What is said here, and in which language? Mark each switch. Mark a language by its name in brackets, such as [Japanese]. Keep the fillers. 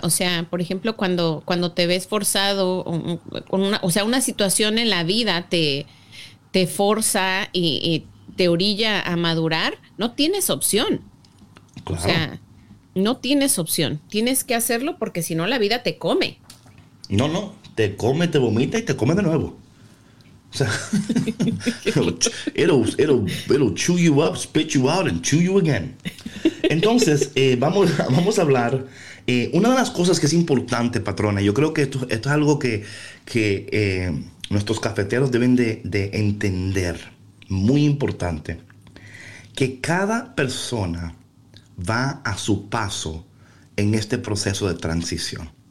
[Spanish] O sea, por ejemplo, cuando, cuando te ves forzado, o- o- con una, o sea, una situación en la vida te, te forza y, y te orilla a madurar, no tienes opción. Claro. O sea, no tienes opción. Tienes que hacerlo porque si no la vida te come. No, no, te come, te vomita y te come de nuevo. O sea, [English] it'll, it'll- it'll- it'll chew you up, spit you out and chew you again. [Spanish] Entonces, eh, vamos, a- vamos a hablar. eh, una de las cosas que es importante, patrona, yo creo que esto, esto es algo que, que, eh, nuestros cafeteros deben de, de entender, muy importante, que cada persona va a su paso en este proceso de transición.